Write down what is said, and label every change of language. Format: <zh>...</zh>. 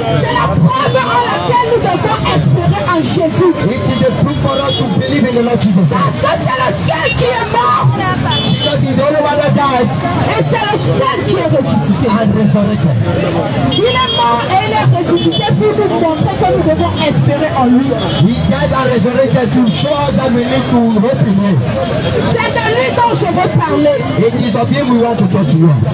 <fr>C'est la preuve en laquelle nous devons espérer en Jésus.</fr> <en>It is the proof for us to believe in the Lord Jesus.</en> <fr>Parce que c'est le seul qui est mort.</fr> <en>Because he's only one that died.</en> <fr>Et c'est le seul qui est ressuscité.</fr> <en>And resurrected.</en> <fr>Il est mort et il est ressuscité pour nous montrer que nous devons espérer en lui.</fr> <en>He died and resurrected to show us that we need to hope in him.</en> <fr>C'est de lui dont je veux parler.</fr> <en>It is of him we want to talk to you.</en>